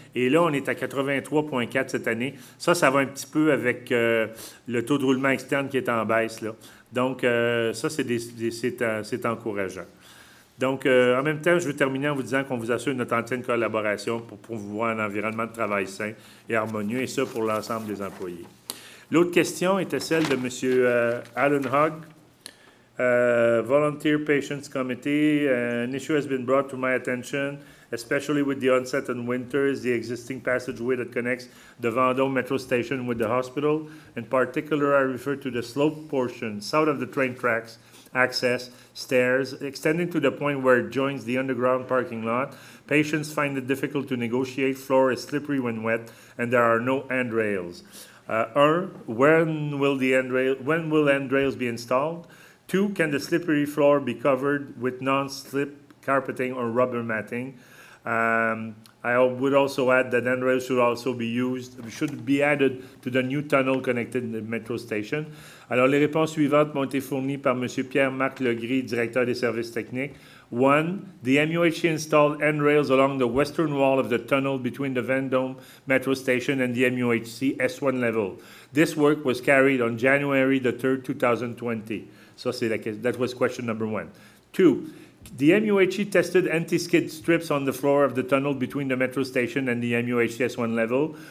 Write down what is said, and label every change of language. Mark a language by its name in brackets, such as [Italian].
[French] Et là, on est à 83,4 cette année. Ça va un petit peu avec le taux de roulement externe qui est en baisse, là. Donc, ça, c'est encourageant. Donc, en même temps, je veux terminer en vous disant qu'on vous assure notre entière collaboration pour promouvoir un environnement de travail sain et harmonieux, et ça pour l'ensemble des employés. L'autre question était celle de M. Alan Hogg. [English] Volunteer Patients Committee, an issue has been brought to my attention, especially with the onset in winter, is the existing passageway that connects the Vendôme Metro Station with the hospital. In particular, I refer to the slope portion south of the train tracks, access, stairs, extending to the point where it joins the underground parking lot. Patients find it difficult to negotiate, floor is slippery when wet, and there are no handrails. When will handrails be installed? Two, can the slippery floor be covered with non-slip carpeting or rubber matting? I would also add that handrails should also be used, should be added to the new tunnel connected to the metro station. [French] Alors, les réponses suivantes m'ont été fournies par M. Pierre-Marc Legris, directeur des services techniques. [English] One, the MUHC installed handrails along the western wall of the tunnel between the Vendôme metro station and the MUHC S1 level. This work was carried on January the 3rd, 2020. So c'est that was question number one. Two, the MUHC tested anti-skid strips on the floor of the tunnel between the metro station and the MUHC S1 level.